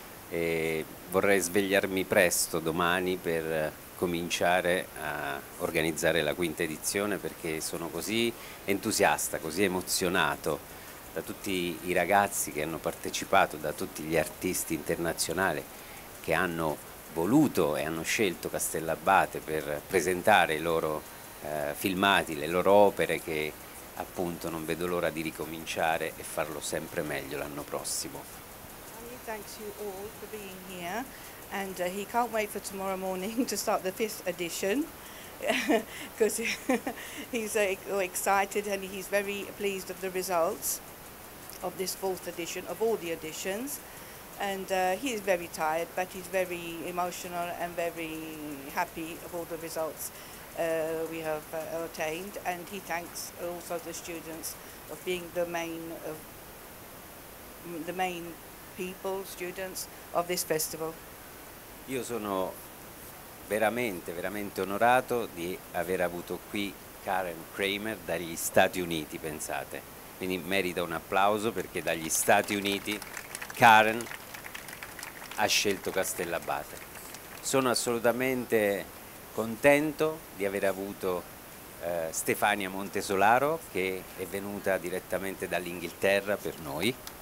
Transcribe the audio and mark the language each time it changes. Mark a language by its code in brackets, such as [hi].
[it] E vorrei svegliarmi presto domani per cominciare a organizzare la quinta edizione perché sono così entusiasta, così emozionato da tutti i ragazzi che hanno partecipato, da tutti gli artisti internazionali che hanno voluto e hanno scelto Castellabate per presentare i loro filmati, le loro opere, che appunto non vedo l'ora di ricominciare e farlo sempre meglio l'anno prossimo. [en] Thanks you all for being here, and he can't wait for tomorrow morning to start the 5th edition because he's excited and he's very pleased of the results of this 4th edition, of all the editions, and he is very tired but he's very emotional and very happy of all the results we have attained, and he thanks also the students of being the main people, students of this festival. [it] Io sono veramente, veramente onorato di aver avuto qui Karen Kramer dagli Stati Uniti, pensate. Quindi merita un applauso perché dagli Stati Uniti Karen ha scelto Castellabate. Sono assolutamente contento di aver avuto Stefania Montesolaro, che è venuta direttamente dall'Inghilterra per noi.